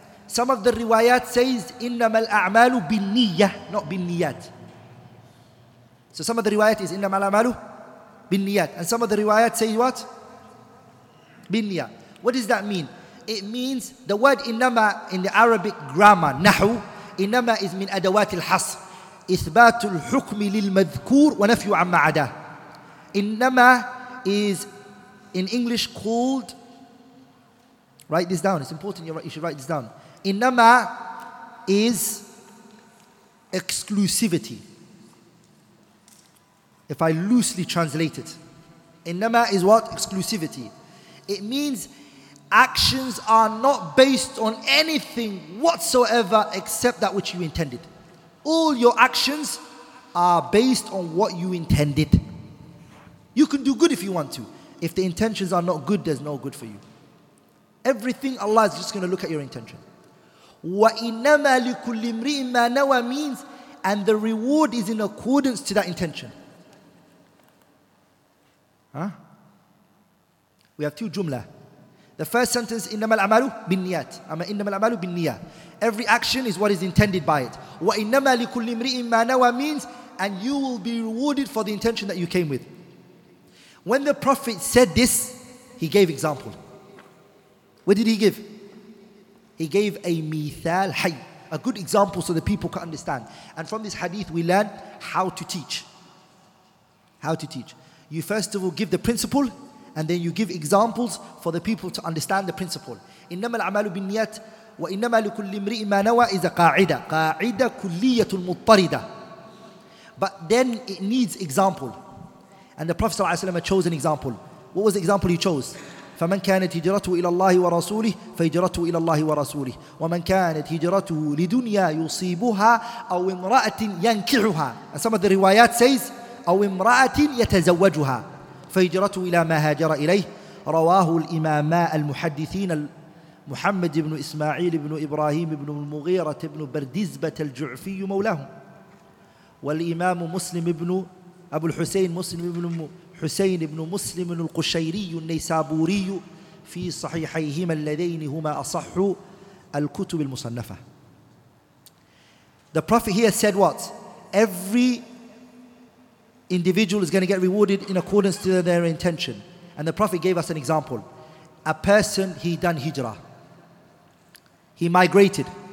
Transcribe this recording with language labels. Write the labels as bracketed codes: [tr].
[en] Some of the riwayat says [ar] إِنَّمَا الْأَعْمَالُ بِالنِّيَّةِ, [en] not بِالنِّيَّاتِ. So some of the riwayat is [ar] إِنَّمَا الْأَعْمَالُ بِالنِّيَّاتِ. [en] And some of the riwayat say what? بِالنِّيَّةِ. What does that mean? It means the word إِنَّمَا in the Arabic grammar, نَحُ, إِنَّمَا is [ar] مِنْ أَدَوَاتِ الْحَصْرِ. إثبات الحكم للمذكور ونفي عما عداه. [en] إنما is in English called, write this down, it's important you should write this down. إنما is exclusivity. If I loosely translate it, إنما is what? Exclusivity. It means actions are not based on anything whatsoever except that which you intended. All your actions are based on what you intended. You can do good if you want to. If the intentions are not good, there's no good for you. Everything, Allah is just going to look at your intention. [ar] وَإِنَّمَا لِكُلِّ امْرِئٍ مَا نَوَى [en] means, and the reward is in accordance to that intention. Huh? We have two jumla. The first sentence, [ar] إِنَّمَا الْعَمَلُ بِالنِّيَاتِ إِنَّمَا الْعَمَلُ بِالنِّيَاتِ. [en] Every action is what is intended by it. [ar] وَإِنَّمَا لِكُلِّ امْرِئٍ مَا نَوَى [en] means, and you will be rewarded for the intention that you came with. When the Prophet said this, he gave example. What did he give? He gave a mithal hay, a good example so the people can understand. And from this hadith, we learn how to teach. How to teach. You first of all give the principle, and then you give examples for the people to understand the principle. [ar] إِنَّمَا الْعَمَالُ بِالنِّيَاتِ وَإِنَّمَا لِكُلِّ امْرِئٍ مَا نَوَى [en] is a qa'ida. [ar] Qa'ida kulliyatul muttarida. [en] But then it needs example. And the Prophet ﷺ had chosen example. What was the example he chose? [ar] فَمَنْ كَانَتْ هِجْرَتُهُ إِلَى اللَّهِ وَرَسُولِهِ فَهِجْرَتُهُ إِلَى اللَّهِ وَرَسُولِهِ وَمَنْ كَانَتْ هِجْرَتُهُ لِدُنْيَا يُصِيبُهَا أَوْ إِمْرَأَةٍ يَنْكِعُهَا. [en] And some of the riwayat says, [ar] أَوْ إِمْرَأَةٍ يَتَزَوَّجُهَا فَهِجْرَتُهُ إِلَى مَا هَاجَرَ إِلَيْهِ رَوَاهُ الْإِمَامَا الْمُحَدِّثِينَ مُحَمَّدِ بْنُ إِسْمَاعِيلِ بْنُ إِبْرَاهِيمِ بْنُ الْمُغِيرَةِ بْنُ بَرْدِزْبَةَ الْجُعْفِيُّ مَوْلَاهُمْ وَالْإِمَامُ مُسْلِمُ بْنُ أَبُو الْحُسَيْنِ مُسْلِمُ بْنُ حسين بن مسلم القشيري النيسابوري في صحيحيهما اللذين هما أصح الكتب المصنفة. [en] The Prophet here said what? Every individual is going to get rewarded in accordance to their intention. And the Prophet gave us an example. A person, he done hijrah. He migrated.